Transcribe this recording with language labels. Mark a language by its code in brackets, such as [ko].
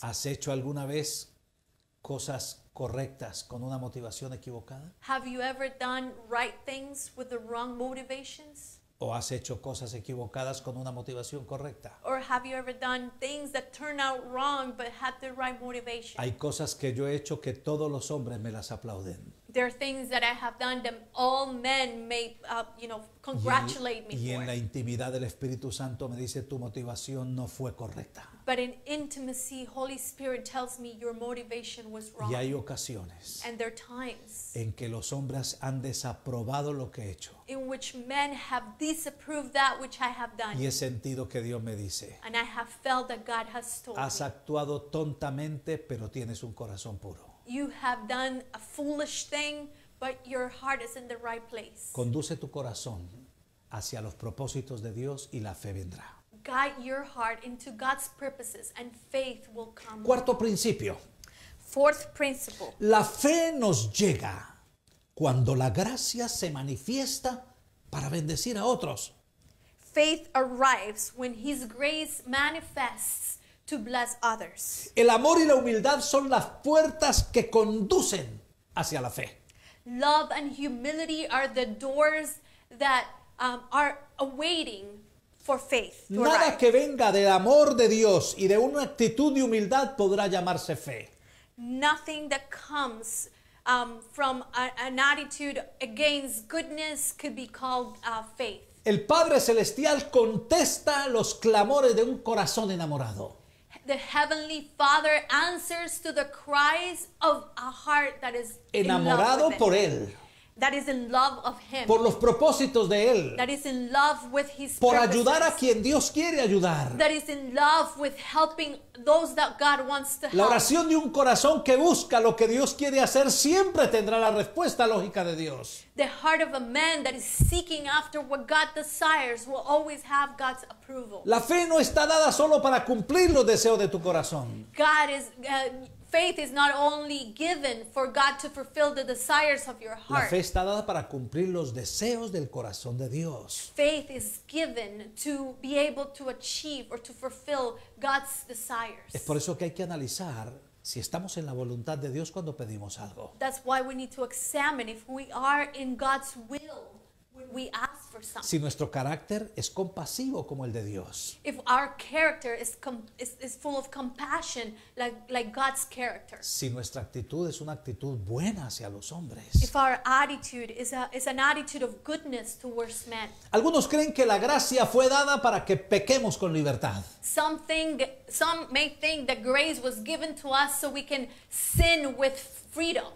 [es] ¿Has hecho alguna vez cosas correctas con una motivación equivocada? [en] Have you ever done right things with the wrong motivations? [es] ¿O has hecho cosas equivocadas con una motivación correcta? [en] Or have you ever done things that turn out wrong but had the right motivation? [es] Hay cosas que yo he hecho que todos los hombres me las aplauden. [en] There are things that I have done that all men may, congratulate me for. [es] Y en la intimidad del Espíritu Santo me dice tu motivación no fue correcta. [en] But in intimacy, Holy Spirit tells me your motivation was wrong. [es] Y hay ocasiones. [en] And there are times. [es] En que los hombres han desaprobado lo que he hecho. [en] In which men have disapproved that which I have done. [es] Y he sentido que Dios me dice. [en] And I have felt that God has told me. [es] Has actuado tontamente, pero tienes un corazón puro. [en] You have done a foolish thing, but your heart is in the right place. [es] Conduce tu corazón hacia los propósitos de Dios y la fe vendrá. [en] Guide your heart into God's purposes and faith will come. [es] Cuarto principio. [en] Fourth principle. [es] La fe nos llega cuando la gracia se manifiesta para bendecir a otros. [en] Faith arrives when His grace manifests to bless others. [es] El amor y la humildad son las puertas que conducen hacia la fe. [en] Love and humility are the doors that are awaiting for faith. [es] Nada que venga del amor de Dios y de una actitud de humildad podrá llamarse fe. [en] Nothing that comes from an attitude against goodness could be called faith. [es] El Padre Celestial contesta los clamores de un corazón enamorado. [en] The Heavenly Father answers to the cries of a heart that is [es] enamorado por él. [en] That is in love of him. [es] Por los propósitos de él. [en] That is in love with his [es] por [en] purposes. [es] Ayudar a quien Dios quiere ayudar. [en] That is in love with helping those that God wants to help. [es] La oración de un corazón que busca lo que Dios quiere hacer siempre tendrá la respuesta lógica de Dios. [en] The heart of a man that is seeking after what God desires will always have God's approval. [es] La fe no está dada solo para cumplir los deseos de tu corazón. [en] God is faith is not only given for God to fulfill the desires of your heart. [es] La fe está dada para cumplir los deseos del corazón de Dios. [en] Faith is given to be able to achieve or to fulfill God's desires. [es] Es por eso que hay que analizar si estamos en la voluntad de Dios cuando pedimos algo. [en] That's why we need to examine if we are in God's will when we ask for something. [es] Si nuestro carácter es compasivo como el de Dios. [en] If our character is full of compassion like God's character. [es] Si nuestra actitud es una actitud buena hacia los hombres. [en] If our attitude is an attitude of goodness towards men. [es] Algunos creen que la gracia fue dada para que pequemos con libertad. [en] Some may think that grace was given to us so we can sin with freedom.